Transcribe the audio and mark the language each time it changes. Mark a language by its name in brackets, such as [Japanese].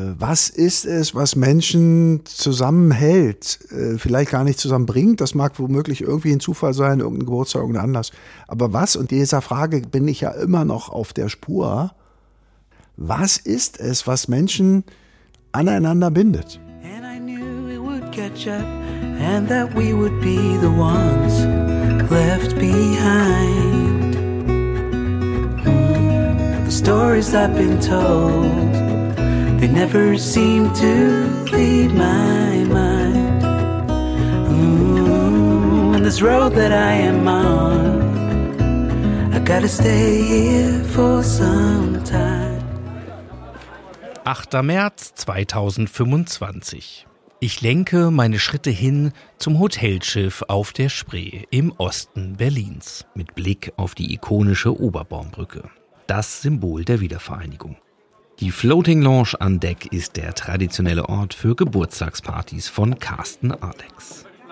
[German] Was ist es, was Menschen zusammenhält, vielleicht gar nicht zusammenbringt? Das mag womöglich irgendwie ein Zufall sein, irgendein Geburtstag, irgendein Anlass. Aber was, und dieser Frage bin ich ja immer noch auf der Spur, was ist es, was Menschen aneinander bindet? [English] And I knew it would catch up. And that we would be the ones left behind. The stories I've been told, they never seem to leave my mind. On this road that I am on, I gotta stay here for some time. [German] 8. März 2025. Ich lenke meine Schritte hin zum Hotelschiff auf der Spree im Osten Berlins mit Blick auf die ikonische Oberbaumbrücke, das Symbol der Wiedervereinigung. Die Floating Lounge an Deck ist der traditionelle Ort für Geburtstagspartys von Carsten Alex.